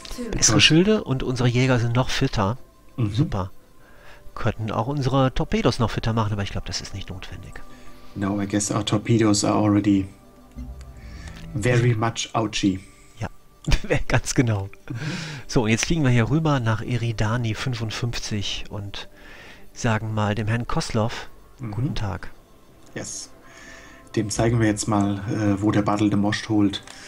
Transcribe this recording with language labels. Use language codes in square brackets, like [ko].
[de] Bessere Schilde und unsere Jäger sind noch fitter. Mhm. Super. Könnten auch unsere Torpedos noch fitter machen, aber ich glaube, das ist nicht notwendig. [en] No, I guess our torpedoes are already very much ouchy. [de] Ja. Ganz genau. Mhm. So, und jetzt fliegen wir hier rüber nach Eridani 55 und sagen mal dem Herrn Koslov, guten Tag. [en] Yes. [de] Dem zeigen wir jetzt mal, wo der Battle de Most holt.